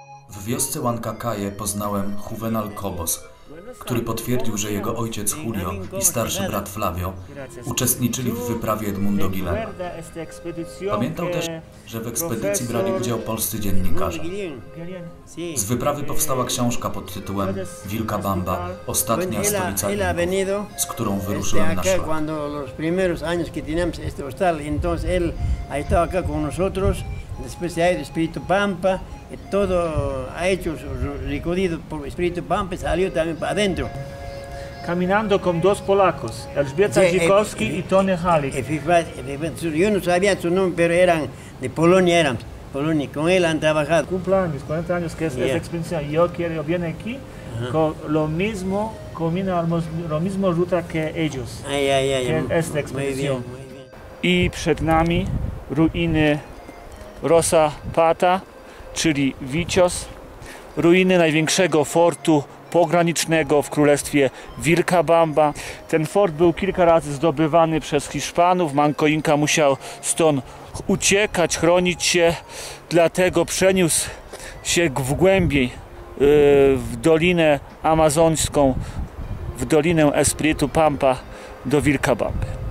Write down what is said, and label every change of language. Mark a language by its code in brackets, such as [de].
[pl] W wiosce Huancacalle poznałem Juvenal Cobos, który potwierdził, że jego ojciec Julio i starszy brat Flavio uczestniczyli w wyprawie Edmundo Gilena. Pamiętał też, że w ekspedycji brali udział polscy dziennikarze. Z wyprawy powstała książka pod tytułem Wilka Bamba, ostatnia stolica Inków, z którą wyruszyłem na szlak. [es] Kiedy los primeros años que teníamos este hostal, entonces él ha estado acá con nosotros, después ha ido Espíritu Pampa. Todo ha hecho recorrido por el Espíritu Pampa y salió también para adentro. Caminando con dos polacos, Elżbieta Dzikowski y Tony Halik. Yo no sabía su nombre, pero eran de Polonia, eran Polonia. Con él han trabajado. Cumple años, 40 años que es esa expedición. Yo quiero, viene aquí con lo mismo, combina lo mismo ruta que ellos. Esta expedición. [pl] Y przed nami ruiny Rosa Pata, czyli Vicios, ruiny największego fortu pogranicznego w królestwie Vilcabamba. Ten fort był kilka razy zdobywany przez Hiszpanów. Manco Inca musiał stąd uciekać, chronić się, dlatego przeniósł się w głębiej w Dolinę Amazońską, w Dolinę Espiritu Pampa do Vilcabamby.